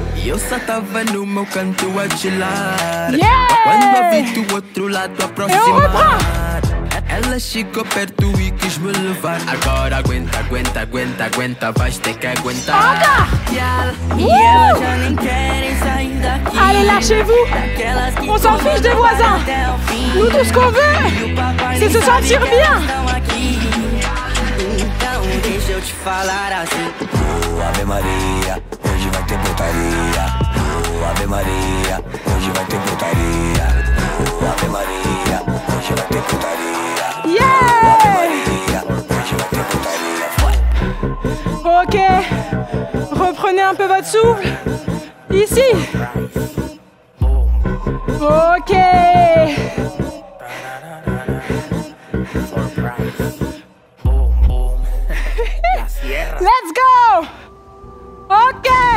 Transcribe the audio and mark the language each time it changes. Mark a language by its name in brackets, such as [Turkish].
[Portuguese] Eu só tava no meu canto a chilar. Yeah! Quando eu vi do outro lado aproximar, ela chegou perto e quis me levar. Agora aguenta, vais ter que aguentar. Oka! E ela já nem querem sair daqui. [French] Allez, lâchez-vous! On s'en fiche des voisins! Nous, tout ce qu'on veut, c'est se sentir bien! [Portuguese] Então, deixa eu te falar assim. Ave Maria! Tem putaria, Ave Maria, hoje vai ter putaria. Ave Maria, hoje vai ter putaria. Yeah! Ave Maria, hoje vai ter putaria. [French] Ok, reprenez un peu votre souffle. Ici. Ok. [English] Let's go! Ok!